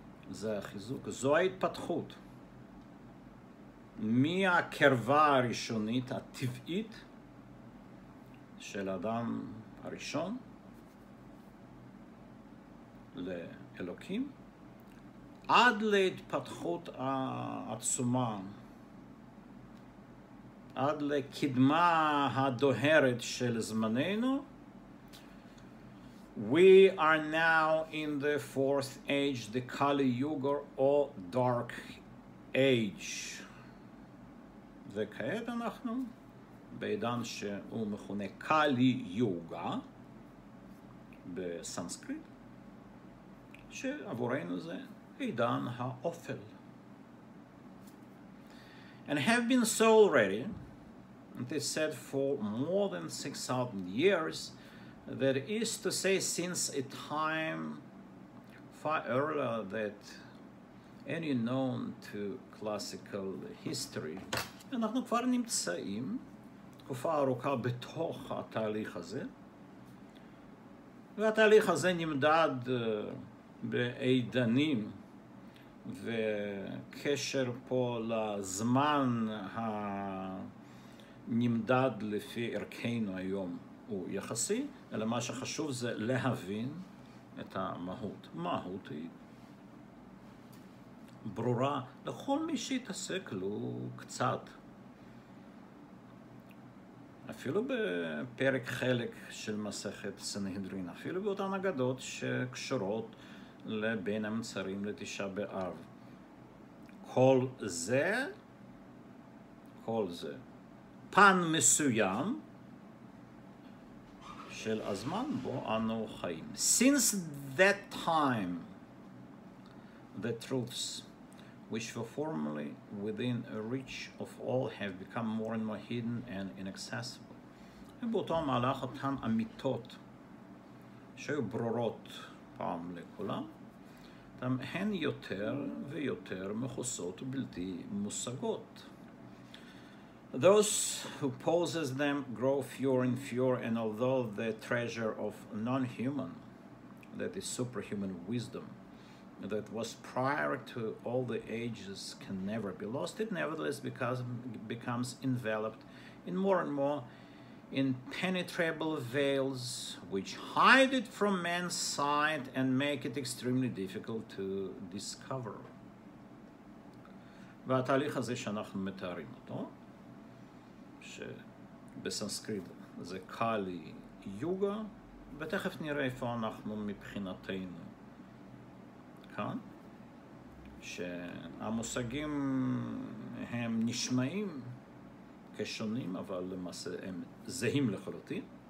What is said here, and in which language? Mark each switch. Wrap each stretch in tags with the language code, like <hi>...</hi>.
<he>זה החיזוק, זו ההתפתחות מהקרבה הראשונית הטבעית של האדם הראשון לאלוקים עד להתפתחות העצומה, עד לקדמה הדוהרת של זמננו.</he> <en>We are now in the fourth age, the Kali Yuga, or Dark Age.</en> <he>וכעת אנחנו בעידן שהוא מכונה קלי יוגה בסנסקריט, שעבורנו זה עידן האופל.</he> <en>And have been so already, it is said for more than 6,000 years, that is to say since a time far earlier than any known to classical history.</en> <he>אנחנו כבר נמצאים תקופה ארוכה בתוך התהליך הזה, והתהליך הזה נמדד בעידנים, וקשר פה לזמן הנמדד לפי ערכנו היום הוא יחסי, אלא מה שחשוב זה להבין את המהות. מהות היא ברורה לכל מי שהתעסק לו קצת, אפילו בפרק חלק של מסכת סנהדרין, אפילו באותן אגדות שקשורות לבין המצרים לתשעה באב. כל זה, פן מסוים של הזמן בו אנו חיים.</he> <en>Since that time, the truths which were formerly within a reach of all have become more and more hidden and inaccessible.</en> <he>ובאותו המהלך אותן אמיתות שהיו ברורות פעם לכולם, הן יותר ויותר מכוסות ובלתי מושגות.</he> <en>Those who possess them grow fewer and fewer, and although the treasure of non-human, that is superhuman wisdom, that was prior to all the ages can never be lost, it nevertheless becomes enveloped in more and more impenetrable veils which hide it from man's sight and make it extremely difficult to discover.</en> <he>והתהליך הזה שאנחנו מתארים אותו, שבסנסקריט זה קלי יוגה, ותכף נראה איפה אנחנו מבחינתנו כאן, שהמושגים הם נשמעים כשונים, אבל למעשה הם זהים לחלוטין.</he>